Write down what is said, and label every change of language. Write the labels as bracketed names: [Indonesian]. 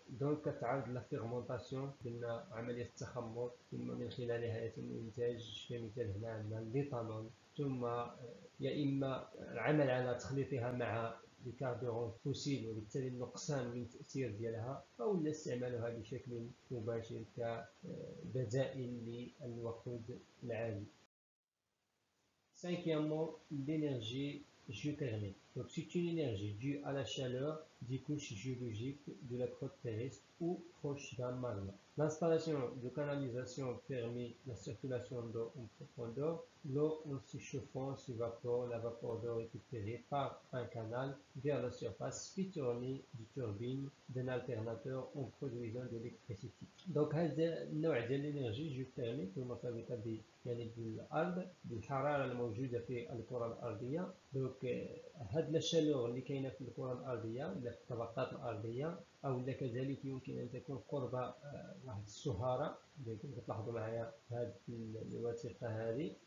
[Arabic] دونك كتعاود لا فيغمونتاسيون، قلنا عملية التخمر، ثم من خلالها يتم إنتاج كمثال هنا عندنا ليثانول، ثم يا إما العمل على تخليطها مع الكربون فوسيل وبالتالي النقصان من التأثير ديالها، أو استعمالها بشكل مباشر كبدائل للوقود العادي. [French] Cinquièmement, l'énergie géothermique. Donc, c'est une énergie due à la chaleur des couches géologiques de la croûte terrestre ou proche d'un magma. L'installation de canalisation permet la circulation d'eau en profondeur. L'eau, en s'échauffant, s'évapore. La vapeur d'eau récupérée par un canal vers la surface fait tourner du turbine d'un alternateur en produisant de l'électricité. Donc, l'énergie géothermique, comme ça veut dire [Arabic] يعني بالارض بالحراره الموجوده في الكره الارضيه. دونك هاد الشالور اللي كاينه في الكره الارضيه ولا في الطبقات الارضيه او لا كذلك يمكن ان تكون قرب واحد السهاره اللي كتلاحظوا معايا في هاد الوثيقه هذه.